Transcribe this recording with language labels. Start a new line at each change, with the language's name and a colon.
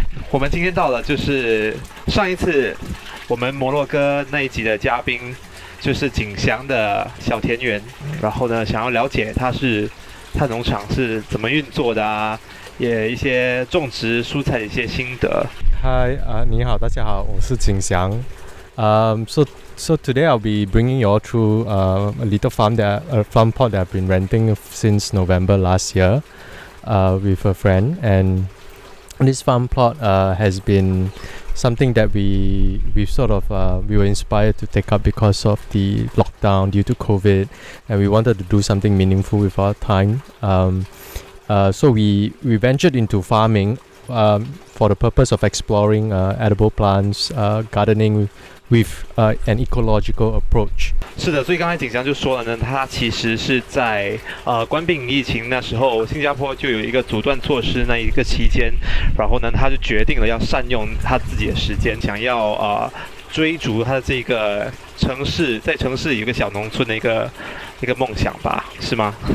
Chinese: 我们今天到了，就是上一次我们摩洛哥那一集的嘉宾，就是景祥的小田园。然后呢，想要了解他农场是怎么运作的啊，也一些种植蔬菜的一些心得。嗨，你好，大家好，我是景祥。
English: So today I'll be bringing you all to a little farm that farm plot that I've been renting since November last year. With a friend, and this farm plot has been something that we were inspired to take up because of the lockdown due to COVID, and we wanted to do something meaningful with our time. So we ventured into farming for the purpose of exploring edible plants, gardening with an ecological approach.
Chinese: 是的，所以刚才景祥就说了呢，他其实是在冠病疫情那时候，新加坡就有一个阻断措施那一个期间，然后呢，他就决定了要善用他自己的时间，想要追逐他的这个城市，在城市有个小农村的一个梦想吧，是吗？